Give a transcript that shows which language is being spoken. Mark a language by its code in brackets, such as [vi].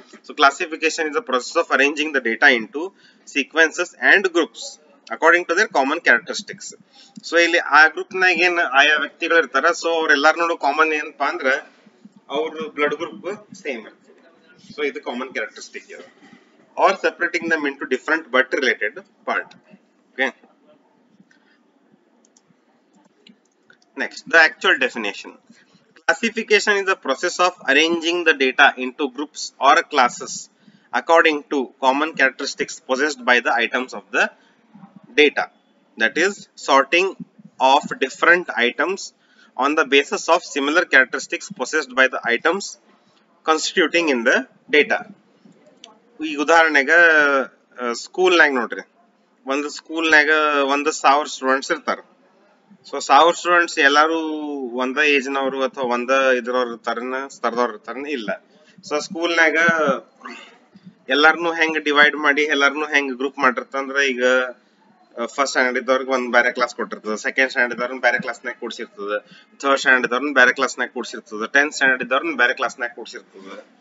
[en] So classification is the process of arranging the data into sequences and groups according to their common characteristics. [kn] So ಇಲ್ಲಿ ಆ group ನಾಗ ಏನ್ ಆಯಾ ವ್ಯಕ್ತಿಗಳು ಇರ್ತಾರೆ, ಸೊ ಅವ್ರೆಲ್ಲಾರನೂ ಕಾಮನ್ ಏನಪ್ಪಾ ಅಂದ್ರೆ ಅವ್ರ ಬ್ಲಡ್ ಗ್ರೂಪ್ ಸೇಮ್ ಇರ್ತದೆ. [en] So ಇದು common characteristic. Are separating them into different but related part. Okay, next the actual definition. Classification is the process of arranging the data into groups or classes according to common characteristics possessed by the items of the data. That is, sorting of different items on the basis of similar characteristics possessed by the items constituting in the data. [kn] ಈಗ ಉದಾಹರಣೆಗೆ ಸ್ಕೂಲ್ನಾಗ ನೋಡ್ರಿ, ಒಂದು ಸ್ಕೂಲ್ನಾಗ 1000 students ಇರ್ತಾರ. So 1000 students ಎಲ್ಲರೂ ಒಂದ ಏಜ್ನವರು ಅಥವಾ ಒಂದ ಇದ್ರವ್ರು ಇರ್ತಾರನ ಸ್ತರದವ್ರು ಇರ್ತಾರನ ಇಲ್ಲ. ಸೊ ಸ್ಕೂಲ್ನಾಗ ಎಲ್ಲಾರನು ಹೆಂಗ್ ಡಿವೈಡ್ ಮಾಡಿ ಎಲ್ಲಾರನು ಹೆಂಗ್ ಗ್ರೂಪ್ ಮಾಡಿರ್ತಂದ್ರ, ಈಗ ಫಸ್ಟ್ ಸ್ಟ್ಯಾಂಡರ್ಡ್ ಇದ್ದವ್ರಿಗೆ ಒಂದ್ ಬೇರೆ ಕ್ಲಾಸ್ ಕೊಟ್ಟಿರ್ತದ, ಸೆಕೆಂಡ್ ಸ್ಟ್ಯಾಂಡರ್ಡ್ ಇದ್ದವ್ರನ್ನ ಬೇರೆ ಕ್ಲಾಸ್ನಾಗ ಕೂಡಿಸಿರ್ತದೆ, ಥರ್ಡ್ ಸ್ಟ್ಯಾಂಡರ್ಡ್ ಇದ್ದವ್ರನ್ನ ಬೇರೆ ಕ್ಲಾಸ್ನಾಗ ಕೂಡಿಸಿರ್ತದೆ, ಟೆಂತ್ ಸ್ಟ್ಯಾಂಡರ್ಡ್ ಇದ್ದವ್ರನ್ನ ಬೇರೆ ಕ್ಲಾಸ್ನಾಗ ಕೂಡಿಸಿರ್ತದೆ.